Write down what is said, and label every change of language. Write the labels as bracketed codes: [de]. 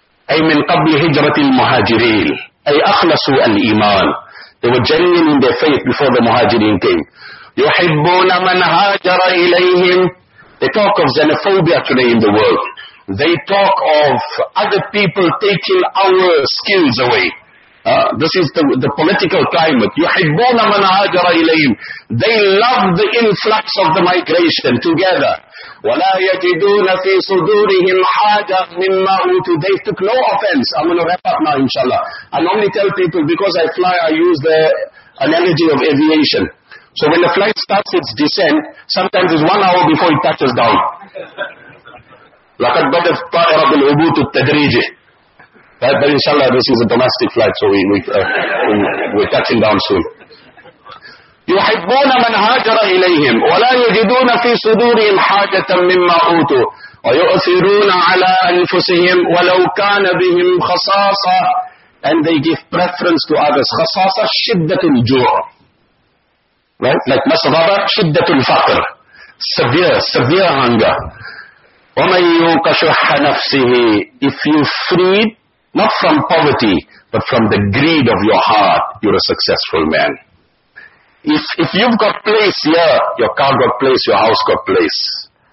[ar] أي من قبل هجرة المهاجرين أي أخلصوا الإيمان. [en] They were genuine in their faith before the muhajirin came. [ar] يُحِبُّونَ مَنْ هَاجَرَ إِلَيْهِمْ [en] They talk of xenophobia today in the world. They talk of other people taking our skills away. This is the political climate. [ar] يُحِبُّونَ مَنْ هَاجَرَ إِلَيْهِمْ [en] They love the influx of the migration together. [ar] وَلَا يَجِدُونَ فِي صُدُورِهِمْ حَاجَةً مِمَّا أُوتُوا [en] They took no offense. I'm going to wrap up now, inshallah. I normally tell people, because I fly, I use the analogy of aviation. So when the flight starts its descent, sometimes it's 1 hour before it touches down. [ar] لَقَدْ بَدَتْ طَائِرَ بِالْعُبُوتُ التَّدْرِيجِ [en] But inshallah, this is a domestic flight, so we're touching down soon. [ar] يُحِبُّونَ مَنْ هَاجَرَ إِلَيْهِمْ وَلَا يَجِدُونَ فِي صُدُورِهِمْ حَاجَةً مِمَّا أُوتُوا وَيُؤْثِرُونَ عَلَىٰ أَنفُسِهِمْ وَلَوْ كَانَ بِهِمْ خَصَاصَةً [en] And they give preference to others. [ar] خَصَاصَة شِدَّةُ الْجُوعِ [en] Right? [ar] Like مَسْغَرَة شِدَّةُ الْفَقْرِ [en] Severe hunger. [ar] وَمَنْ يُوْقَشُحَّ نَفْسِهِ [en] If you freed, not from poverty, but from the greed of your heart, you're a successful man. If you've got place here, your car got place, your house got place.